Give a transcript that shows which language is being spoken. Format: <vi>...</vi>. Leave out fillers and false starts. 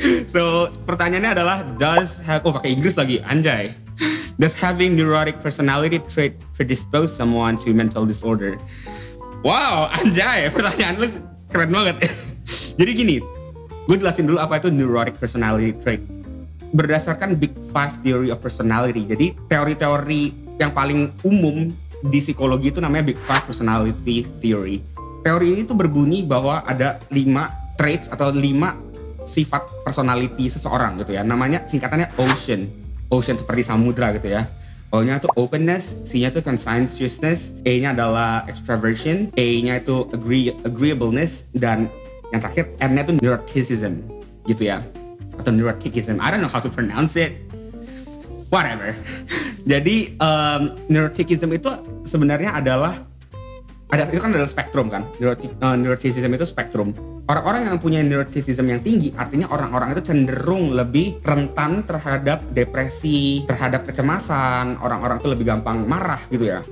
<id>So, pertanyaannya adalah, pakai Inggris lagi, anjay.</id> <en>Does having neurotic personality trait predispose someone to mental disorder?</en> <id>Wow, anjay, pertanyaan lu keren banget. Jadi gini, gua jelasin dulu apa itu neurotic personality trait. Berdasarkan Big Five Theory of Personality, jadi teori-teori yang paling umum di psikologi itu namanya Big Five Personality Theory. Teori ini tuh berbunyi bahwa ada 5 traits atau 5 sifat personality seseorang gitu ya. Namanya, singkatannya ocean. Ocean seperti samudra gitu ya. O-nya tuh openness, C-nya tuh conscientiousness, A-nya adalah extroversion, A-nya itu agreeableness, dan yang terakhir N-nya tuh neuroticism gitu ya.</id> <en>Atau neuroticism, I don't know how to pronounce it. Whatever.</en> <id>Jadi neuroticism itu sebenarnya adalah itu kan adalah spektrum kan, neuroticism itu spektrum. Orang-orang yang punya neuroticism yang tinggi, artinya orang-orang itu cenderung lebih rentan terhadap depresi, terhadap kecemasan, orang-orang itu lebih gampang marah gitu ya.</id>